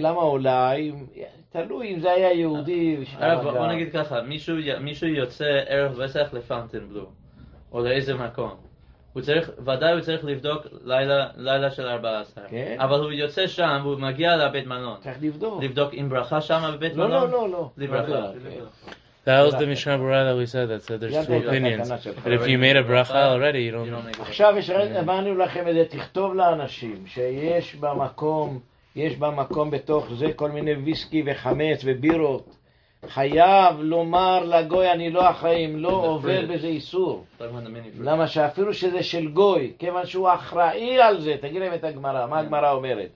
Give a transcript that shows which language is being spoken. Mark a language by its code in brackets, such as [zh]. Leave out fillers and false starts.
[he] למה אולי? תלוי אם זה היה יהודי. בוא נגיד ככה, מישהו יוצא ערב פסח לפונטנבלו, או לאיזה מקום. ודאי הוא צריך לבדוק לילה של 14. כן. אבל הוא יוצא שם, הוא מגיע לבית מלון. צריך לבדוק. לבדוק עם ברכה שם בבית מלון? לא. לברכה. [en] That was the Mishnah Berurah that we said, that there's two opinions. But if you made a bracha already, you don't need it. [he] עכשיו הבנו לכם את זה, תכתוב לאנשים שיש במקום בתוך זה כל מיני ויסקי וחמץ ובירות. חייב לומר לגוי, אני לא אחראי, אם לא עובר בזה איסור. למה שאפילו שזה של גוי, כיוון שהוא אחראי על זה, תגיד להם את הגמרא, מה הגמרא אומרת?